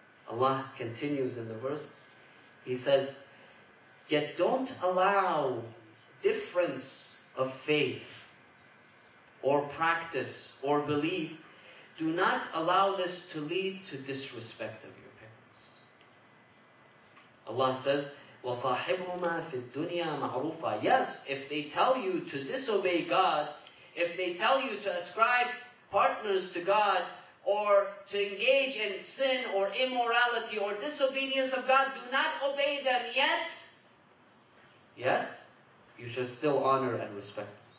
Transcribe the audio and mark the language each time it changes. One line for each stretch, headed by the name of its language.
English: Allah continues in the verse, He says, yet don't allow difference of faith or practice or belief, do not allow this to lead to disrespect of your parents. Allah says,
Arabic: وَصَاحِبْهُمَا فِي الدُّنْيَا مَعْرُوفًا.
English: Yes, if they tell you to disobey God, if they tell you to ascribe partners to God, or to engage in sin or immorality or disobedience of God, do not obey them yet. Yet, you should still honor and respect.